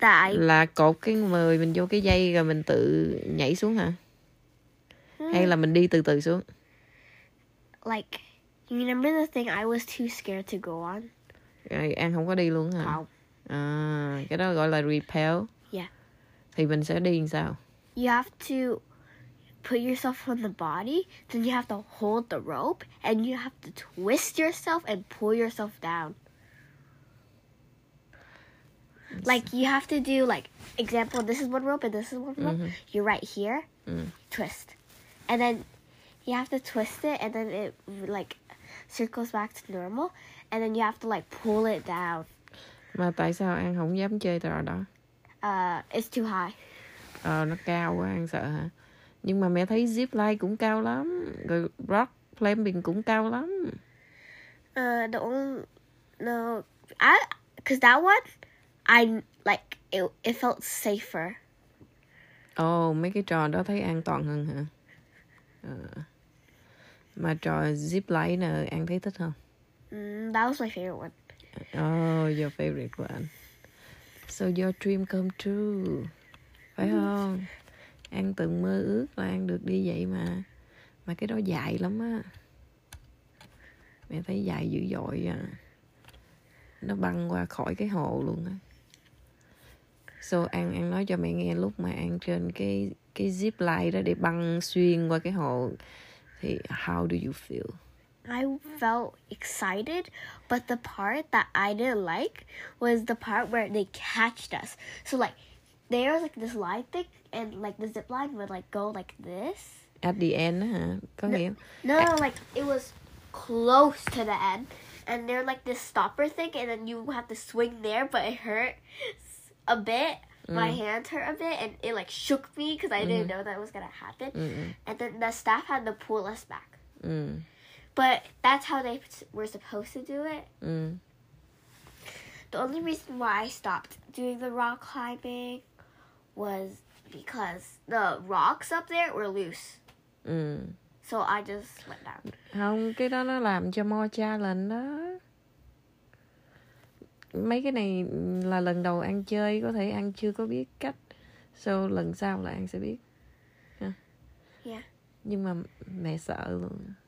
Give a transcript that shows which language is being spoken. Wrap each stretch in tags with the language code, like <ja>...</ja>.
<vi>là cột cái người mình vô cái dây rồi mình tự nhảy xuống hả? Hay là mình đi từ từ xuống?</vi> <en>Like, you remember the thing I was too scared to go on?</en> <vi>Rồi, An không có đi luôn hả? Không. À, cái đó gọi là repel.</vi> <en>Yeah.</en> <vi>Thì mình sẽ đi làm sao?</vi> <en>You have to put yourself on the body, then you have to hold the rope, and you have to twist yourself and pull yourself down. Like, you have to do, like, example, this is one rope and this is one rope. You're right here. Twist. And then you have to twist it, and then it, like, circles back to normal. And then you have to, like, pull it down.</en> <vi>Mà tại sao An không dám chơi trò đó?</vi> <en>It's too high.</en> <vi>Nó cao quá, An sợ hả? Nhưng mà mẹ thấy zip line cũng cao lắm. Rồi rock climbing cũng cao lắm.</vi> <en>Because that one, it felt safer.</en> <vi>Mấy cái trò đó thấy an toàn hơn hả? Mà trò zip line nè, An thấy thích không?</vi> <en>That was my favorite one. Your favorite one. So your dream come true.</en> <vi>Phải không? An từng mơ ước là An được đi vậy mà. Mà cái đó dài lắm á. Mẹ thấy dài dữ dội à. Nó băng qua khỏi cái hồ luôn á. So An nói cho mẹ nghe lúc mà An trên cái zip line đó để băng xuyên qua cái hồ, thì</vi> <en>how do you feel? I felt excited, but the part that I didn't like was the part where they catched us. So like, there was like this line thing, and like the zip line would like go like this. At the end, huh? No, it was close to the end, and there like this stopper thing, and then you have to swing there, but it hurt a bit. My hand hurt a bit, and it like shook me because I didn't know that was gonna happen. And then the staff had to pull us back. But that's how they were supposed to do it. The only reason why I stopped doing the rock climbing was because the rocks up there were loose. So I just went down.</en> <vi>Không, cái đó nó làm cho</vi> <en>more challenge</en> <vi>đó. Mấy cái này là lần đầu An chơi, có thể An chưa có biết cách. So lần sau là An sẽ biết. Nhưng mà mẹ sợ luôn.</vi>